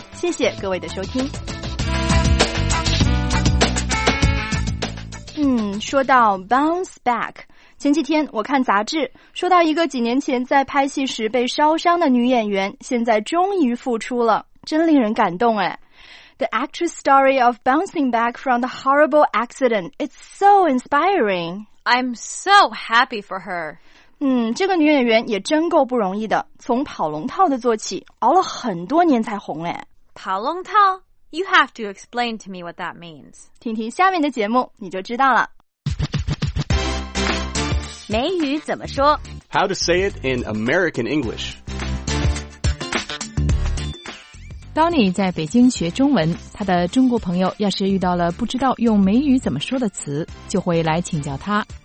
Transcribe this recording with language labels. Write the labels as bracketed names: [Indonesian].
[Chinese] 谢谢各位的收听。说到 bounce back， 前几天我看杂志，说到一个几年前在拍戏时被烧伤的女演员，现在终于复出了，真令人感动哎。 [English] The actress story of bouncing back from the horrible accident. It's so inspiring. I'm so happy for her. [Chinese] 这个女演员也真够不容易的，从跑龙套的做起，熬了很多年才红哎。跑龙套？ [English] You have to explain to me what that means. [Chinese] 听听下面的节目，你就知道了。美语怎么说？ [English] How to say it in American English. [Chinese] Donnie 在北京学中文，他的中国朋友要是遇到了不知道用美语怎么说的词，就会来请教他。